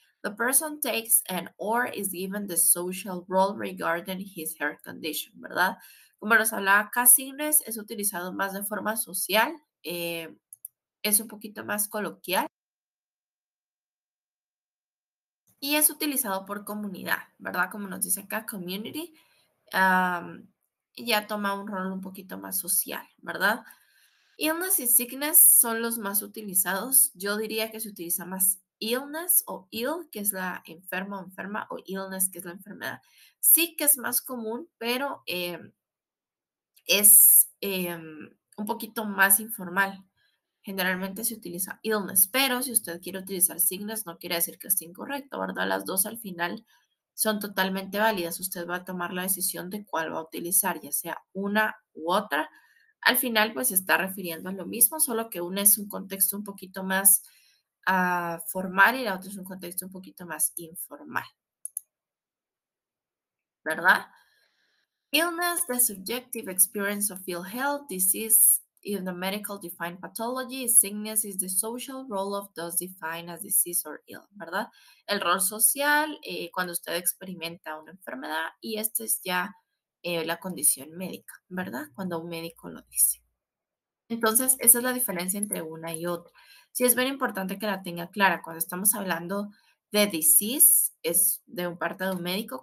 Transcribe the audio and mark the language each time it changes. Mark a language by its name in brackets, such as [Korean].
[English] The person takes and or is given the social role regarding his her condition, ¿verdad? [Spanish] Como nos hablaba acá, sickness es utilizado más de forma social, es un poquito más coloquial. Y es utilizado por comunidad, ¿verdad? Como nos dice acá, community, ya toma un rol un poquito más social, ¿verdad? Illness y sickness son los más utilizados. Yo diría que se utiliza más illness o ill, que es la enferma o enferma, o illness, que es la enfermedad. Sí que es más común, pero es un poquito más informal. Generalmente se utiliza illness, pero si usted quiere utilizar sickness, no quiere decir que esté incorrecto, ¿verdad? Las dos al final son totalmente válidas. Usted va a tomar la decisión de cuál va a utilizar, ya sea una u otra. Al final, pues, se está refiriendo a lo mismo, solo que una es un contexto un poquito más formal y la otra es un contexto un poquito más informal. ¿Verdad? [English] Illness, the subjective experience of ill health, disease in the medical defined pathology, sickness is the social role of those defined as disease or ill, ¿verdad? [Spanish] El rol social, cuando usted experimenta una enfermedad, y este es ya la condición médica, ¿verdad? Cuando un médico lo dice. Entonces, esa es la diferencia entre una y otra. Sí, es bien importante que la tenga clara. Cuando estamos hablando de disease, es de un parte de un médico.